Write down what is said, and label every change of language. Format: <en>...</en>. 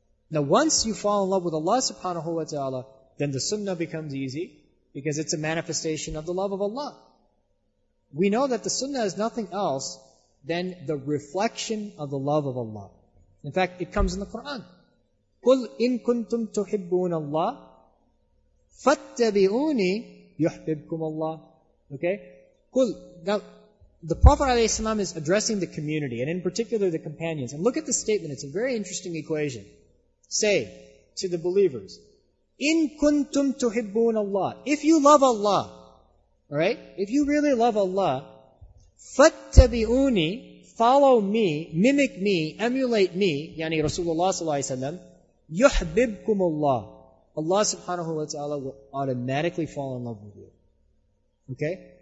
<en>Now once you fall in love with Allah subhanahu wa ta'ala, then the sunnah becomes easy because it's a manifestation of the love of Allah. We know that the sunnah is nothing else than the reflection of the love of Allah. In fact, it comes in the Quran.</en> <ar>قُلْ إِن كُنْتُمْ تُحِبُّونَ اللَّهِ فَاتَّبِعُونِي يُحْبِبْكُمَ اللَّهِ Okay?</ar> <en>قُلْ Now, the Prophet ﷺ is addressing the community, and in particular the companions. And look at the statement, it's a very interesting equation. Say to the believers,</en> <ar>إِن كُنْتُمْ تُحِبُّونَ اللَّهِ</ar> <en>If you love Allah, alright? If you really love Allah,</en> <ar>فَاتَّبِعُونِي</ar> <en>Follow me, mimic me, emulate me, yani Rasulullah ﷺ,</en> <ar>يُحْبِبْكُمُ اللَّهِ</ar> <en>Allah subhanahu wa ta'ala will automatically fall in love with you. Okay?</en>